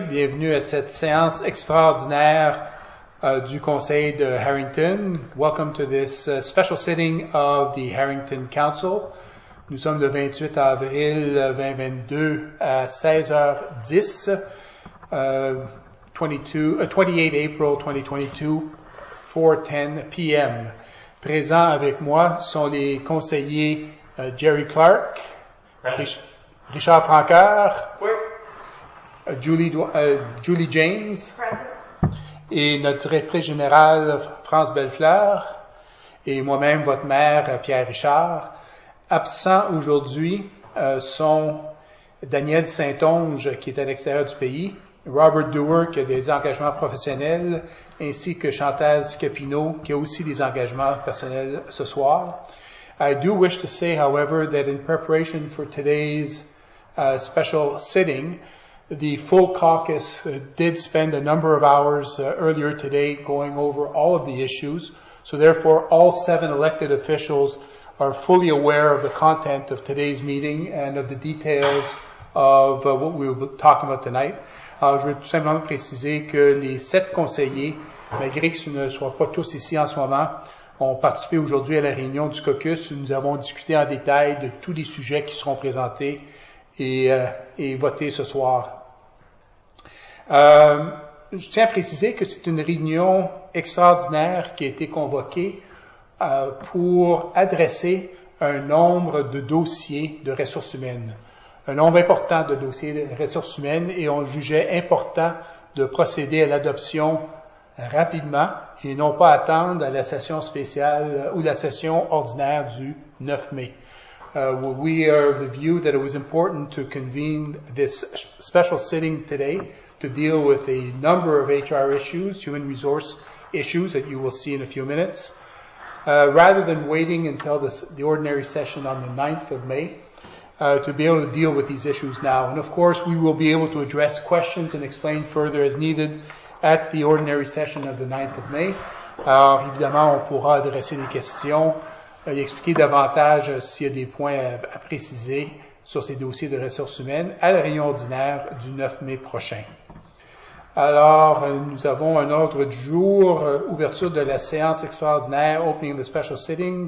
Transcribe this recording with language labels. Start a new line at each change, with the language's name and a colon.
French: Bienvenue à cette séance extraordinaire du Conseil de Harrington.
English: Welcome to this special sitting of the Harrington Council.
French: Nous sommes le 28 avril 2022 à 16h10,
English: 28 April 2022, 4:10 p.m.
French: Présents avec moi sont les conseillers Jerry Clark.
English: Right.
French: Richard Francaire. Oui. Julie James.
English: Present.
French: Et notre directrice générale, France Bellefleur. Et moi-même, votre maire, Pierre Richard. Absents aujourd'hui sont Daniel Saint-Onge, qui est à l'extérieur du pays, Robert Dewar, qui a des engagements professionnels, ainsi que Chantal Scapino, qui a aussi des engagements personnels ce soir.
English: I do wish to say, however, that in preparation for today's special sitting, the full caucus did spend a number of hours earlier today going over all of the issues, so therefore all seven elected officials are fully aware of the content of today's meeting and of the details of what we will be talking about tonight.
French: Je veux tout simplement préciser que les sept conseillers, malgré que ce ne soient pas tous ici en ce moment, ont participé aujourd'hui à la réunion du caucus où nous avons discuté en détail de tous les sujets qui seront présentés et voter ce soir. Je tiens à préciser que c'est une réunion extraordinaire qui a été convoquée pour adresser un nombre de dossiers de ressources humaines. Un nombre important de dossiers de ressources humaines, et on jugeait important de procéder à l'adoption rapidement et non pas attendre à la session spéciale ou la session ordinaire du 9 mai.
English: We are of the view that it was important to convene this special sitting today to deal with a number of HR issues, human resource issues that you will see in a few minutes. Rather than waiting until the ordinary session on the 9th of May, to be able to deal with these issues now. And of course, we will be able to address questions and explain further as needed at the ordinary session of the 9th of May.
French: Alors, évidemment, on pourra adresser des questions et expliquer davantage s'il y a des points à préciser sur ces dossiers de ressources humaines à la réunion ordinaire du 9 mai prochain. Alors, nous avons un ordre du jour, ouverture de la séance extraordinaire,
English: opening the special sitting.